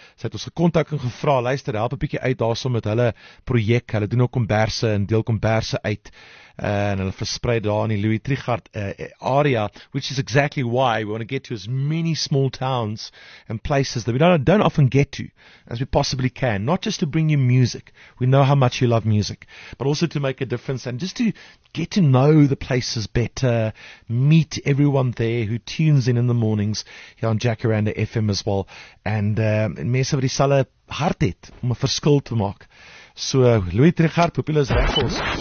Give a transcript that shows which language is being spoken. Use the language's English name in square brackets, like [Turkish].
[Afrikaans] Sy het ons gekontak en gevra, luister, help 'n bietjie uit daarsom met hulle projek. Hulle doen ook komberse en deel komberse uit. [English] En hulle versprei daar in die Louis Trichardt area, which is exactly why we want to get to as many small towns and places that we don't often get to as we possibly can. Not just to bring you music. We know how much you love music. But also to make a difference and just to get to know the places better, meet everyone there who tunes in the mornings here on Jacaranda FM as well. [Afrikaans] And mense wat die sal hart het om 'n verskil te maak. So, Louis Trichardt, hoop julle is reg ons.